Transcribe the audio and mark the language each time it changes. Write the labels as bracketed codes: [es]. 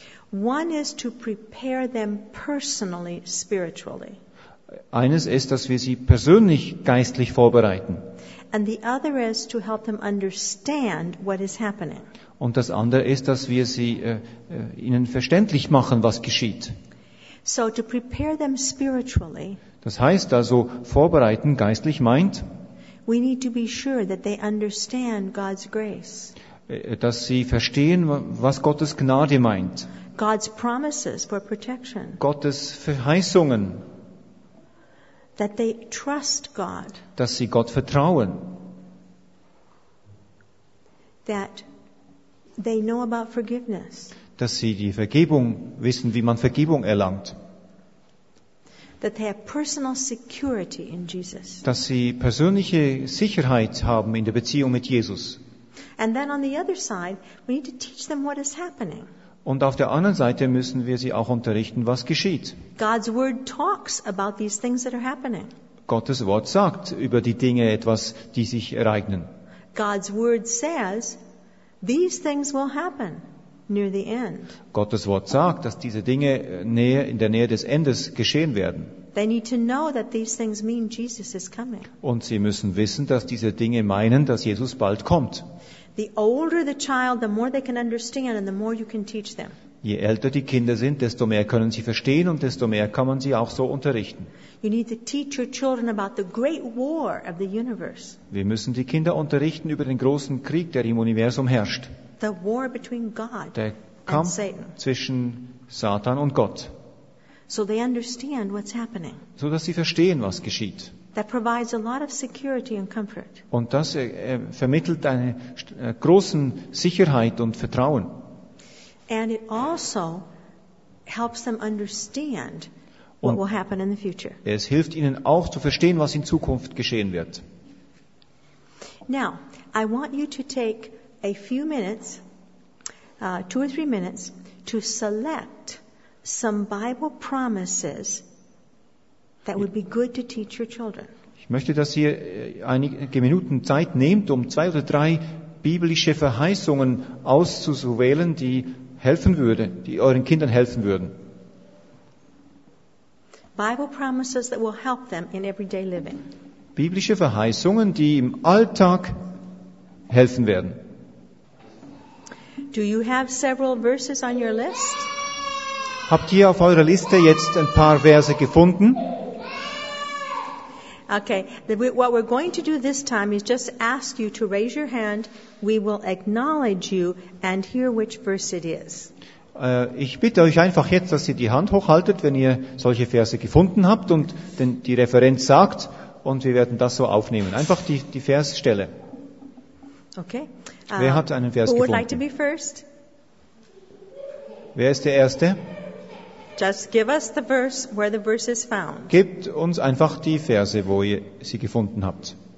[en] One is to prepare them personally, spiritually. [de] Eines ist, dass wir sie persönlich geistlich vorbereiten. [en] And the other is to help them understand what is happening. [de] Und das andere ist, dass wir sie ihnen verständlich machen, was geschieht. [en] So to prepare them spiritually. [de] Das heißt also, vorbereiten geistlich meint. [en] We need to be sure that they understand God's grace. [de] Dass sie verstehen, was Gottes Gnade meint. [en] God's promises for protection. [de] Gottes Verheißungen. [en] That they trust God. [de] Dass sie Gott vertrauen. [en] That they know about forgiveness. [de] dass sie die Vergebung wissen, wie man Vergebung erlangt. [en] That they have personal security in Jesus. [de] Dass sie persönliche Sicherheit haben in der Beziehung mit Jesus. [en] And then on the other side, we need to teach them what is happening. [de] Und auf der anderen Seite müssen wir sie auch unterrichten, was geschieht. [en] God's word talks about these things that are happening. [de] Gottes Wort sagt über die Dinge etwas, die sich ereignen. [en] God's word says, these things will happen near the end. [de] Gottes Wort sagt, dass diese Dinge in der Nähe des Endes geschehen werden. [en] They need to know that these things mean Jesus is coming. [de] Und sie müssen wissen, dass diese Dinge meinen, dass Jesus bald kommt. [en] The older the child, the more they can understand and the more you can teach them. [de] Je älter die Kinder sind, desto mehr können sie verstehen und desto mehr kann man sie auch so unterrichten. [en] You need to teach your children about the great war of the universe. [de] Wir müssen die Kinder unterrichten über den großen Krieg, der im Universum herrscht. [en] The war between God and Satan. [de] Der Kampf zwischen Satan und Gott. [en] So they understand what's happening. [de] So dass sie verstehen, was geschieht. [en] That provides a lot of security and comfort. [de] Und das vermittelt eine große Sicherheit und Vertrauen. [en] And it also helps them understand what will happen in the future. [de] Es hilft ihnen auch zu verstehen, was in Zukunft geschehen wird. [en] Now, I want you to take a few minutes, two or three minutes, to select some Bible promises that would be good to teach your children. [de] Ich möchte, dass ihr einige Minuten Zeit nehmt, um zwei oder drei biblische Verheißungen auszuwählen, die helfen würde, die euren Kindern helfen würden. [en] Bible promises that will help them in everyday living. [de] Biblische Verheißungen, die im Alltag helfen werden. [en] Do you have several verses on your list? [de] Habt ihr auf eurer Liste jetzt ein paar Verse gefunden? [en] Okay, what we're going to do this time is just ask you to raise your hand. We will acknowledge you and hear which verse it is. [de] Ich bitte euch einfach jetzt, dass ihr die Hand hochhaltet, wenn ihr solche Verse gefunden habt und die Referenz sagt, und wir werden das so aufnehmen. Einfach die Versstelle. [en] Okay. [de] Wer hat einen Vers gefunden? [en] Who would like to be first? [de] Wer ist der Erste? [en] Just give us the verse where the verse is found. [de] Gebt uns einfach die Verse, wo ihr sie gefunden habt.